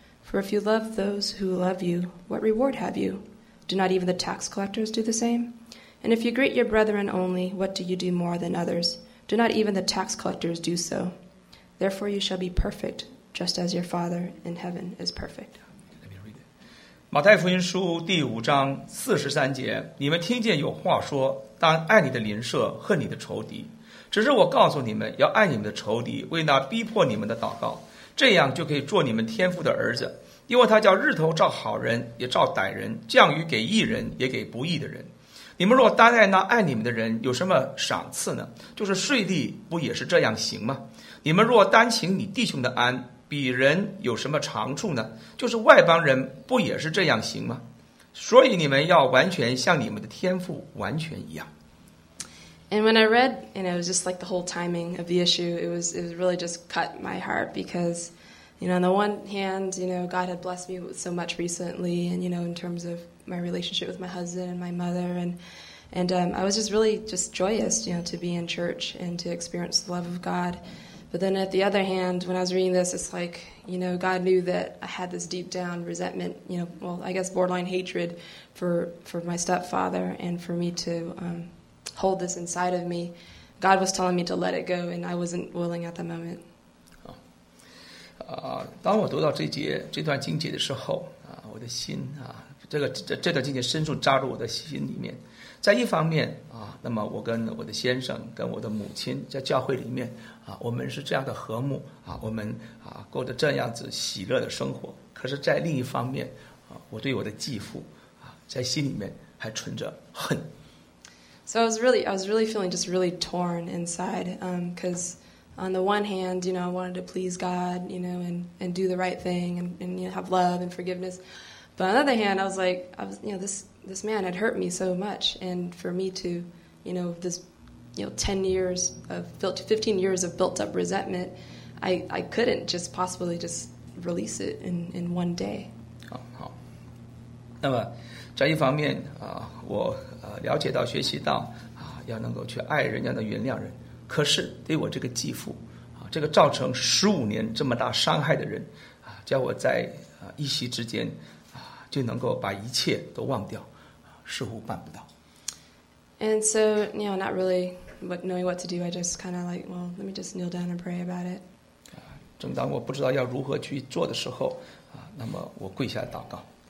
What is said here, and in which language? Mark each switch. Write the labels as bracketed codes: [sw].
[en] For if you love those who love you, what reward have you? Do not even the tax collectors do the same? And if you greet your brethren only, what do you do more than others? Do not even the tax collectors do so? Therefore you shall be perfect, just as your Father in heaven is perfect. [zh] 马太福音书第五章四十三节，你们听见有话说，当爱你的邻舍，恨你的仇敌。只是我告诉你们，要爱你们的仇敌，为那逼迫你们的祷告，这样就可以做你们天父的儿子。因为他叫日头照好人，也照歹人，降雨给义人，也给不义的人。你们若单爱那爱你们的人，有什么赏赐呢？就是税吏不也是这样行吗？你们若单请你弟兄的安，比人有什么长处呢？就是外邦人不也是这样行吗？所以你们要完全像你们的天父完全一样。 [en] And when I read, you know, it was just like the whole timing of the issue. It was really just cut my heart because, you know, on the one hand, you know, God had blessed me with so much recently, and you know, in terms of my relationship with my husband and my mother, and I was just really just joyous, you know, to be in church and to experience the love of God. But then at the other hand, when I was reading this, it's like, you know, God knew that I had this deep down resentment, you know, well, I guess borderline hatred for my stepfather and for me to hold this inside of me. God was telling me to let it go, and I wasn't willing at the moment. [zh] 当我读到这段经节的时候，我的心，这段经节深处扎入我的心里面。在一方面那么我跟我的先生跟我的母亲在教会里面我们是这样的和睦我们过着这样子喜乐的生活可是在另一方面我对我的继父在心里面还存着恨 [en] So I was really feeling just really torn inside because on the one hand you know I wanted to please God you know and do the right thing and you know have love and forgivenessBut on the other hand, I was, you know, this man had hurt me so much, and for me to, you know, this, you know, 15 years of built up resentment, I couldn't just possibly just release it in one day. [zh] 好，那么在一方面我了解到学习到要能够去爱人，要能原谅人，可是对我这个继父这个造成15年这么大伤害的人叫我在一夕之间。就能够把一切都忘掉，似乎办不到。 [en] And so, you know, not really, but knowing what to do, I just kind of like, well, let me just kneel down and pray about it. [zh] 正当我不知道要如何去做的时候，那么我跪下祷告。